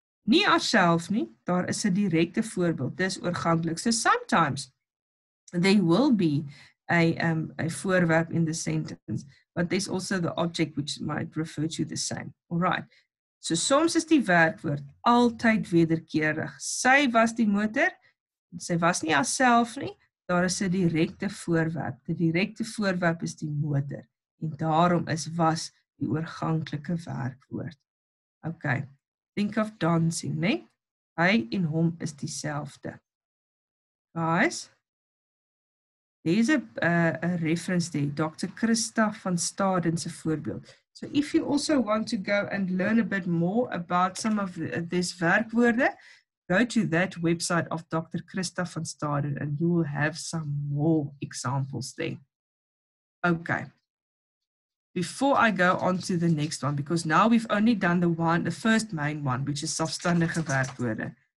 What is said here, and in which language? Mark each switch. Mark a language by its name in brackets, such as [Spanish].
[Afrikaans] Nie as self nie, daar is 'n direkte voorbeeld. Dis oorganklik. [English] So sometimes, there will be a voorwerp in the sentence, but there's also the object which might refer to the same. All right. [Afrikaans] So soms is die werkwoord altyd wederkerig. Sy was die motor, sy was nie haarself nie, daar is 'n direkte voorwerp. Die direkte voorwerp is die motor en daarom is was die oorganklike werkwoord. Okay. [English] Think of dancing, [Afrikaans] né? Hy en hom is dieselfde. [English] Guys, there's a reference there, Dr. Christa van Staden's voorbeeld. So if you also want to go and learn a bit more about some of these werkwoorde, go to that website of Dr. Christa van Staden and you will have some more examples there. Okay. Before I go on to the next one, because now we've only done the first main one, which is selfstandige werkwoorde.